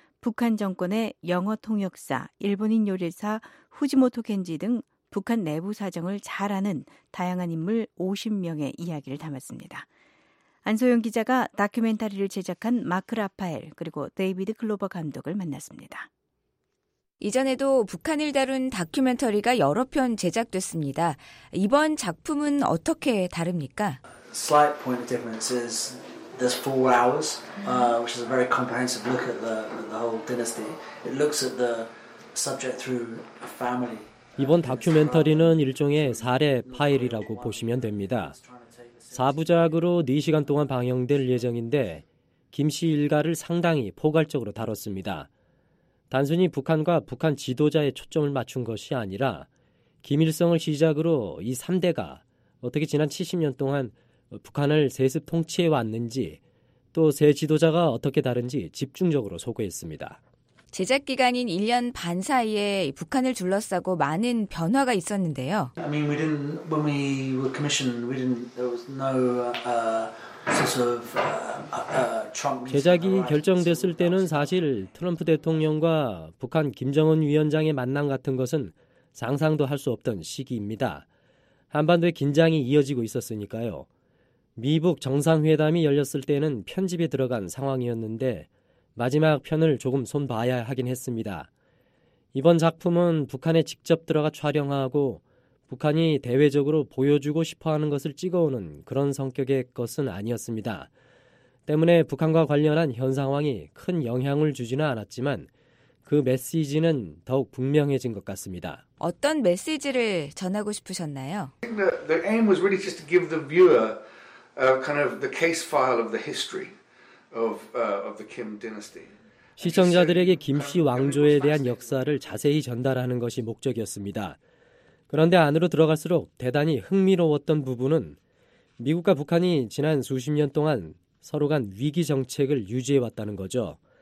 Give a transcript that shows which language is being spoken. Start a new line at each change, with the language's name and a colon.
Korean: 북한 정권의 영어 통역사, 일본인 요리사 후지모토 켄지 등 북한 내부 사정을 잘 아는 다양한 인물 50명의 이야기를 담았습니다. 안소영 기자가 다큐멘터리를 제작한 마크 라파엘 그리고 데이비드 글로버 감독을 만났습니다. 이전에도 북한을 다룬 다큐멘터리가 여러 편 제작됐습니다. 이번 작품은 어떻게 다릅니까?
English: Slight point of difference is this 4 hours, which is a very comprehensive look at the whole dynasty. It looks at the subject through a family.
Korean: 이번 다큐멘터리는 일종의 사례 파일이라고 보시면 됩니다. 4부작으로 4시간 동안 방영될 예정인데 김 씨 일가를 상당히 포괄적으로 다뤘습니다. 단순히 북한과 북한 지도자에 초점을 맞춘 것이 아니라 김일성을 시작으로 이 3대가 어떻게 지난 70년 동안 북한을 세습 통치해왔는지 또 새 지도자가 어떻게 다른지 집중적으로 소개했습니다. 제작 기간인 1년 반 사이에 북한을 둘러싸고 많은 변화가 있었는데요.
English: I mean, when we were commissioned, there was no sort of Trump.
Korean: 제작이 결정됐을 때는 사실 트럼프 대통령과 북한 김정은 위원장의 만남 같은 것은 상상도 할 수 없던 시기입니다. 한반도의 긴장이 이어지고 있었으니까요. 미북 정상회담이 열렸을 때는 편집에 들어간 상황이었는데 마지막 편을 조금 손봐야 하긴 했습니다. 이번 작품은 북한에 직접 들어가 촬영하고 북한이 대외적으로 보여주고 싶어하는 것을 찍어오는 그런 성격의 것은 아니었습니다. 때문에 북한과 관련한 현 상황이 큰 영향을 주지는 않았지만 그 메시지는 더욱 분명해진 것 같습니다. 어떤 메시지를 전하고 싶으셨나요?
English: The aim was really just to give the viewer kind of the case file of the history. Of the Kim dynasty.
Korean: 시청자들에게 김씨 왕조에 대한 역사를 자세히 전달하는 것이 목적이었습니다. 그런데 안으로 들어갈수록 대단히 흥미로웠던 부분은 미국과 북한이 지난 수십 년 동안 서로 간 위기 정책을 유지해왔다는 거죠.